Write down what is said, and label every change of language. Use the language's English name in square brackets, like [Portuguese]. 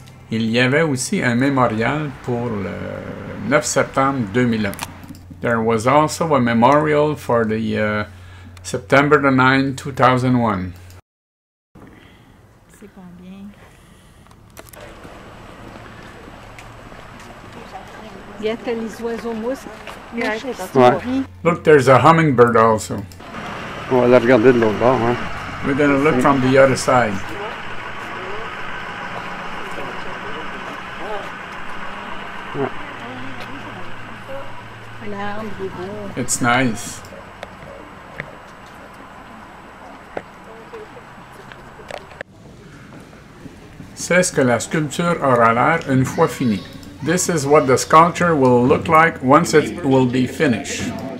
[French] Il y avait aussi un mémorial pour le 9 septembre 2001. [English] There was also a memorial for the September the 9th, 2001. [French] C'est combien? Il y a les oiseaux mousses. [English] Look, there's a hummingbird also. [French] On va la regarder de l'autre bord, hein? [English] We're gonna look from the other side. It's nice. [French] C'est ce que la sculpture aura l'air une fois finie. [English] This is what the sculpture will look like once it will be finished.